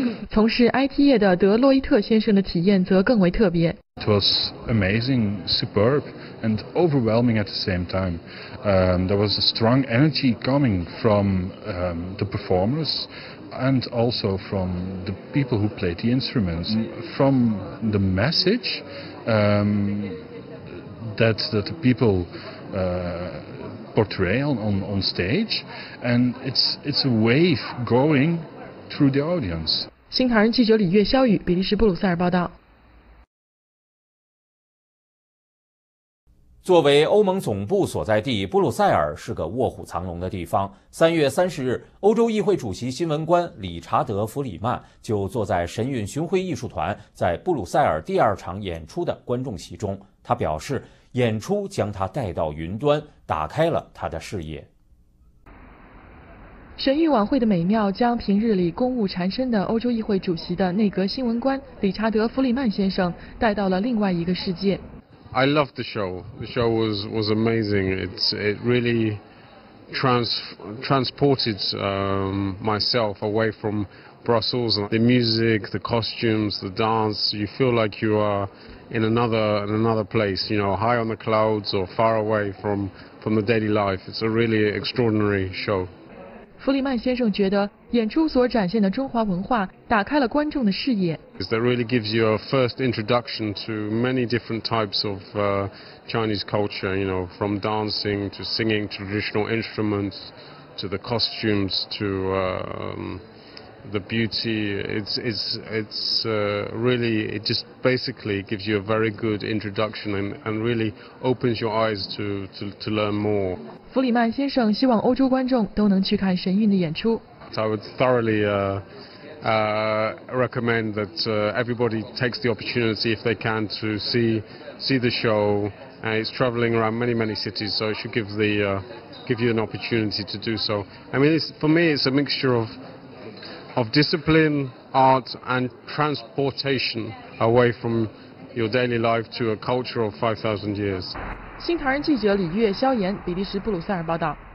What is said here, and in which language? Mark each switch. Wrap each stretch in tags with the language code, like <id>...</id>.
<zh>从事 IT 业的德洛伊特先生的体验则更为特别。</zh> <en>It was amazing, superb, and overwhelming at the same time. There was a strong energy coming from the performers. And also from the people who played the instruments, from the message that the people portray on stage, and it's a wave going through the audience.</en> <zh>新唐人记者李月肖宇，比利时布鲁塞尔报道。作为欧盟总部所在地，布鲁塞尔是个卧虎藏龙的地方。 3月30日，欧洲议会主席新闻官理查德·弗里曼就坐在神韵巡回艺术团在布鲁塞尔第二场演出的观众席中，他表示演出将他带到云端，打开了他的视野。神韵晚会的美妙将平日里公务缠身的欧洲议会主席的内阁新闻官理查德·弗里曼先生带到了另外一个世界。</zh> <en>I loved the show. The show was amazing. It really transported myself away from Brussels. The music, the costumes, the dance, you feel like you are in another place, you know, high on the clouds or far away from the daily life. It's a really extraordinary show.</en> <zh>弗里曼先生觉得演出所展现的中华文化打开了观众的视野。</zh> <en>That really gives you a first introduction to many different types of Chinese culture, you know, from dancing to singing traditional instruments to the costumes to the beauty. It's really, it just basically gives you a very good introduction and really opens your eyes to learn more.</en> <zh>弗里曼先生希望欧洲观众都能去看神韵的演出。</zh> <en>I would thoroughly recommend that everybody takes the opportunity if they can to see the show. And it's traveling around many, many cities, so it should give you an opportunity to do so. I mean, for me, it's a mixture of discipline, art, and transportation away from your daily life to a culture of 5,000 years.</en> <zh>新唐人记者李月、肖岩，比利时布鲁塞尔报道。</zh>